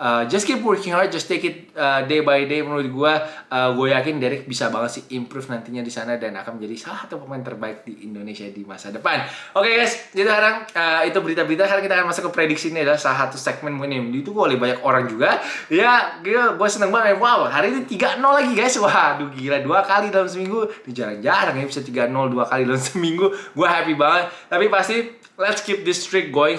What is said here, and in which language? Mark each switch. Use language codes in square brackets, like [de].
[en] Just keep working hard, just take it day by day. [id] Menurut gue yakin Derek bisa banget sih improve nantinya di sana dan akan menjadi salah satu pemain terbaik di Indonesia di masa depan. Okay, guys, jadi sekarang itu berita-berita. Sekarang kita akan masuk ke prediksi. Ini adalah salah satu segmen mungkin yang ditunggu oleh banyak orang juga. Ya, gue seneng banget. Wow, hari ini 3-0 lagi guys. Waduh, gila, 2 kali dalam seminggu. Ini jarang-jarang ya bisa 3-0 2 kali dalam seminggu. Gue happy banget. Tapi pasti [en] let's keep this streak going.